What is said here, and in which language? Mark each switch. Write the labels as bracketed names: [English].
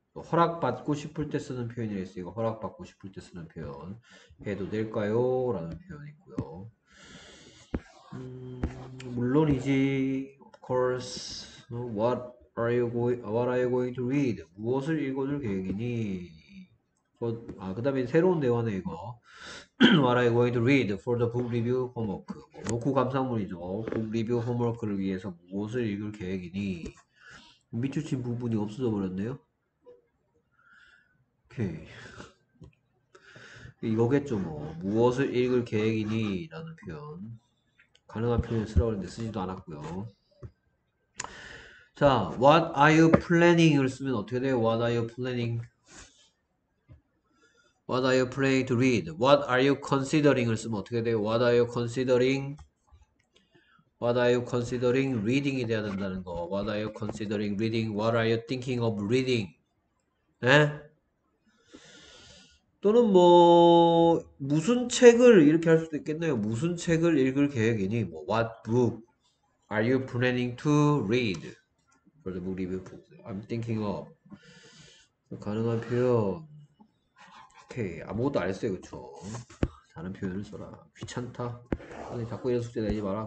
[Korean] 허락받고 싶을 때 쓰는 표현이 있어요. 이거 허락받고 싶을 때 쓰는 표현 해도 될까요? 라는 표현이고요. 물론이지. [English] Of course. What are you going to read? [Korean] 무엇을 읽어줄 계획이니? 아, 그다음에 새로운 대화네 이거. [English] What are you going to read for the book review homework? [Korean] 독후 감상문이죠. [English] Book review homework [Korean] 를 위해서 무엇을 읽을 계획이니? 밑줄 친 부분이 없어져 버렸네요. 오케이. 이거겠죠 뭐. 무엇을 읽을 계획이니? 라는 표현. 가능한 표현을 쓰라고 했는데 쓰지도 않았고요. [English] 자, What are you planning을 [Korean] 쓰면 어떻게 돼요? [English] What are you planning? What are you planning to read? What are you considering을 [Korean] 쓰면 어떻게 돼요? [English] What are you considering? What are you considering reading이 [Korean] 돼야 된다는 거. [English] What are you considering reading? What are you thinking of reading? 네? [Korean] 또는 뭐 무슨 책을 이렇게 할 수도 있겠네요. 무슨 책을 읽을 계획이니? [English] 뭐 What book are you planning to read for the book review? I'm thinking of [Korean] 가능한 표현. 오케이 아무것도 안 했어요, 그쵸? 다른 표현을 써라. 귀찮다. 아니 자꾸 이런 숙제 내지 마라.